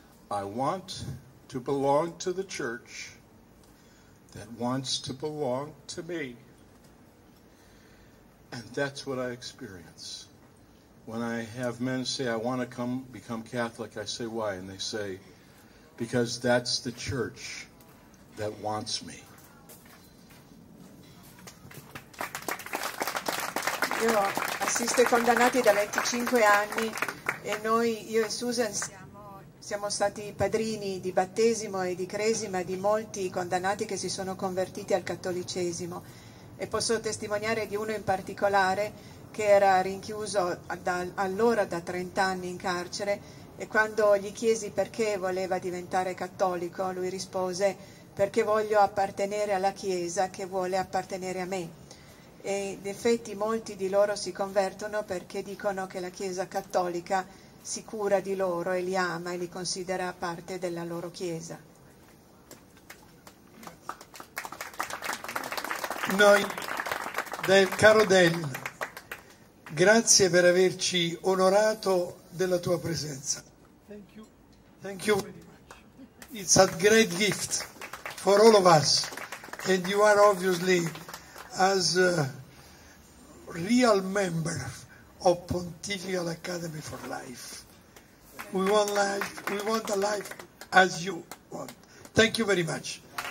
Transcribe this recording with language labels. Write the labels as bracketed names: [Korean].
[English] I want to belong to the church that wants to belong to me." And that's what I experience When I have men say, I want to come become Catholic, I say, why? And they say, because that's the church that wants me. [Italian] Io assisto ai condannati da 25 anni e noi, io e Susan, siamo stati padrini di battesimo e di cresima di molti condannati che si sono convertiti al cattolicesimo. E posso testimoniare di uno in particolare che era rinchiuso da 30 anni in carcere, e quando gli chiesi perché voleva diventare cattolico, lui rispose: perché voglio appartenere alla Chiesa che vuole appartenere a me. E in effetti molti di loro si convertono perché dicono che la Chiesa cattolica si cura di loro e li ama e li considera parte della loro Chiesa. Noi, caro Dan, grazie per averci onorato della tua presenza. [English] Thank you. It's a great gift for all of us, and you are obviously as a real member of Pontifical Academy for Life. We want a life as you want. Thank you very much.